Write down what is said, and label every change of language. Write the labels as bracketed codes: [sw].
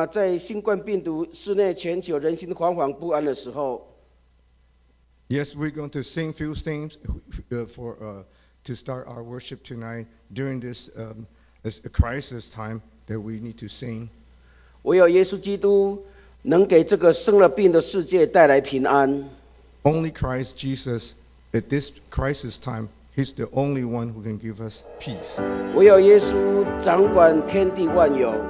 [zh] 在新冠病毒肆虐全球，人心惶惶不安的时候。 [en] Yes, we're going to sing a few things for to start our worship tonight during this crisis time that we need to sing. [zh] 唯有耶稣基督能给这个生了病的世界带来平安。 [en] Only Christ Jesus at this crisis time. He's the only one who can give us peace. [zh] 唯有耶稣掌管天地万有。